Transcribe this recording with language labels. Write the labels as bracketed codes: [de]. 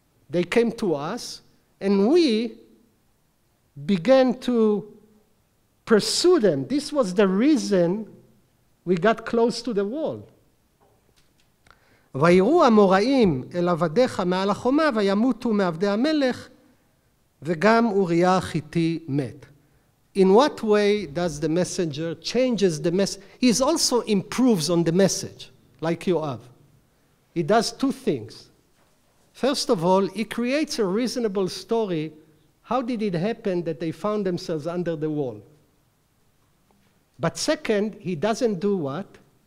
[en] They came to us, and we began to pursue them. This was the reason we got close to the wall. [he] ויראו המוראים אל עבדיך מעל החומה וימותו מעבדי המלך V'gam Uriah Chiti met. [en] In what way does the messenger changes the message? He also improves on the message, like Yoav. He does two things. First of all, he creates a reasonable story. How did it happen that they found themselves under the wall? But second, he doesn't do what?